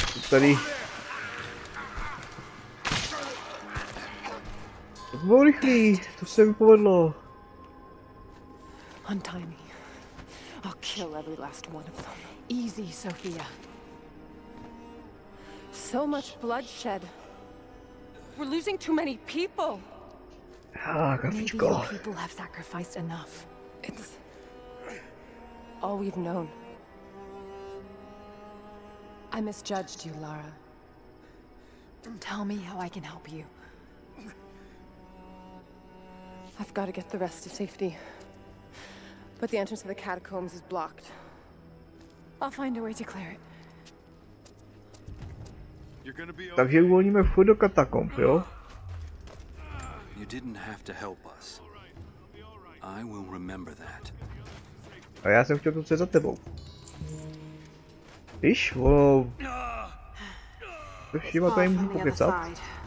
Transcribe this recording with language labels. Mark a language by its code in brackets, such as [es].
[cs] Tady. To bylo rychlý, to se mi povedlo. [en] Untie me. I'll kill every last one of them. Easy, Sophia. So much bloodshed. We're losing too many people. [cs] Ah, kafičko. [en] Maybe people have sacrificed enough. It's all we've known. I misjudged you, Lara. Tell me how I can help you. I've got to get the rest to safety. But the entrance to the catacombs is blocked. I'll find a way to clear it. [cs] Takže uvolníme vchod do katakomb, jo? [en] You didn't have to help us. I will remember that. [cs] A já jsem chtěl to za tebou. Víš, ono... To všima tady můžu pokecat.